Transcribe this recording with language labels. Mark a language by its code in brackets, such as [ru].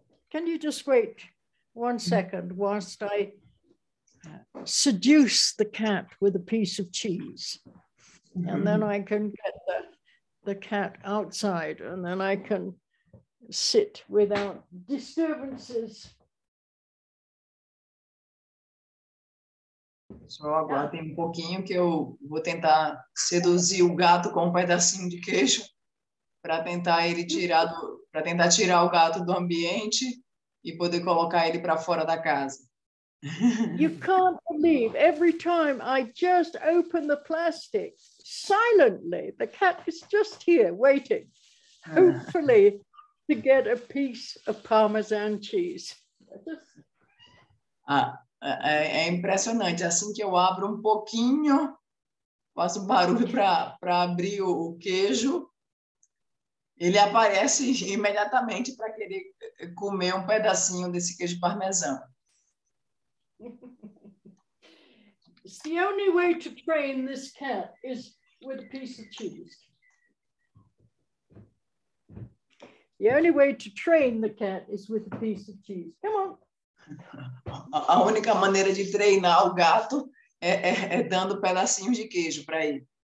[en] Can you just wait 1 second whilst I seduce the cat with a piece of cheese? Mm-hmm. And then I can get the cat outside, and then I can sit without disturbances. [pt] Só aguardem um pouquinho que eu vou tentar seduzir o gato com um pedacinho de queijo para tentar ele tirar do, para tentar tirar o gato do ambiente e poder colocar ele para fora da casa. [en] You can't believe every time I just open the plastic silently, the cat is just here waiting, hopefully to get a piece of Parmesan cheese. Ah. [pt] É impressionante, assim que eu abro um pouquinho, faço barulho para abrir o queijo, ele aparece imediatamente para querer comer um pedacinho desse queijo parmesão. [en] It's the only way to train this cat is with a piece of cheese. The only way to train the cat is with a piece of cheese. Come on. [pt] A única maneira de treinar o gato é dando pedacinhos de queijo para ele.